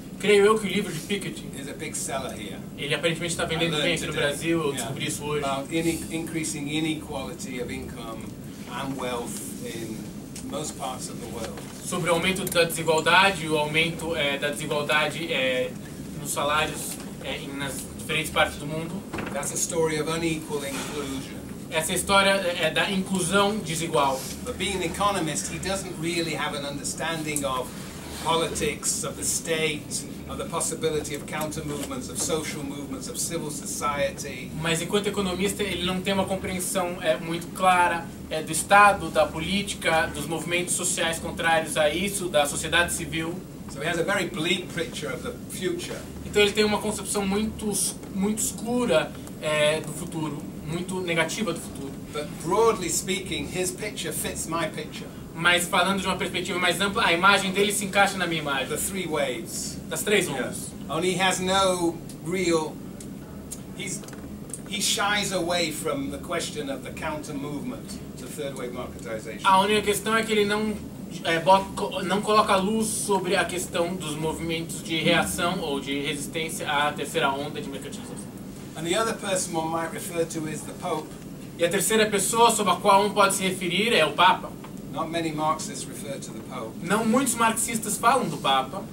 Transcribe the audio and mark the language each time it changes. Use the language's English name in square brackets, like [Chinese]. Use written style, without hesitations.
[Portuguese] Creio eu que o livro de Piketty [English] is a big seller here. [Portuguese] Ele aparentemente está vendendo bem aqui no Brasil, eu descobri isso hoje. [English] About increasing inequality of income and wealth in most parts of the world. [Portuguese] Sobre o aumento da desigualdade, o aumento da desigualdade nos salários nas diferentes partes do mundo. [English] That's a story of unequal inclusion. [Portuguese] Essa história é da inclusão desigual. [English] But being an economist, he doesn't really have an understanding of politics, of the state, of the possibility of counter-movements, of social movements, of civil society. [Portuguese] Mas enquanto economista, ele não tem uma compreensão muito clara do Estado, da política, dos movimentos sociais contrários a isso, da sociedade civil. [English] So he has a very bleak picture of the future. [Portuguese] Então ele tem uma concepção muito, muito escura do futuro, muito negativa do futuro. [English] But broadly speaking, his picture fits my picture. [Portuguese] Mas falando de uma perspectiva mais ampla, a imagem dele se encaixa na minha imagem. [English] The three waves. [Portuguese] Das três ondas. [English] Yes. Only he has no real. He shies away from the question of the counter movement to third wave marketization. [Portuguese] A única questão é que ele não coloca luz sobre a questão dos movimentos de reação ou de resistência à terceira onda de mercantilização. [English] And the other person one might refer to is the Pope. [Portuguese] E a terceira pessoa sobre a qual pode se referir é o Papa. [English] Not many Marxists refer to the Pope. [Portuguese] Não muitos marxistas falam do Papa.